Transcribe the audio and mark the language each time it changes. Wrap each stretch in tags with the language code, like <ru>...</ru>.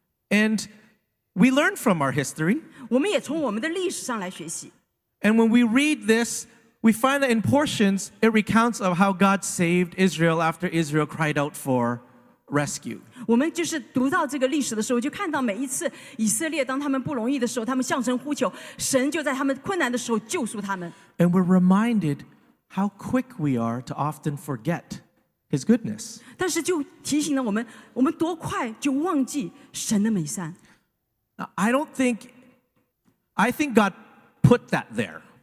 <en>And we learn from our history. And when we read this, we find that in portions, it recounts of how God saved Israel after Israel cried out for rescue.</en> <zh>我们就是读到这个历史的时候, 就看到每一次以色列当他们不容易的时候, 他们向神呼求, 神就在他们困难的时候救赎他们。</zh> <en>And we're reminded how quick we are to often forget His goodness.</en> <zh>但是就提醒了我们, 我们多快就忘记神的美善。</zh> <en>Now, I think God put that there.</en>